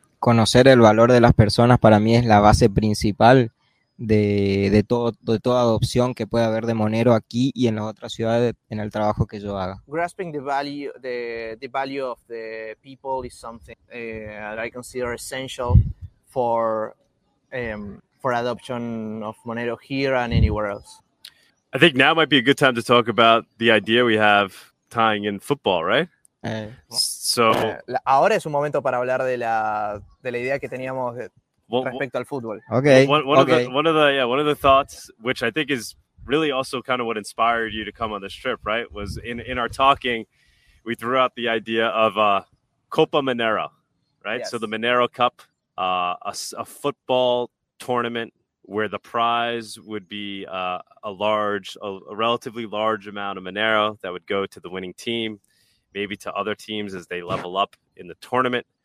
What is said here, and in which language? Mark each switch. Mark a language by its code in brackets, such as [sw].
[es] Conocer el valor de las personas para mí es la base principal de toda adopción que puede haber de Monero aquí y en las otras ciudades en el trabajo que yo haga. [en] Grasping the value of the people is something that I consider essential for adoption of Monero here and anywhere else. I think now might be a good time to talk about the idea we have tying in football, right? So [es] ahora es un momento para hablar de la idea que teníamos respecto al fútbol. [en] Okay. One of the thoughts, which I think is really also kind of what inspired you to come on this trip, right? Was in our talking, we threw out the idea of Copa Monero, right? Yes. So the Monero Cup, a football tournament where the prize would be a relatively large amount of Monero that would go to the winning team, maybe to other teams as they level up in the tournament.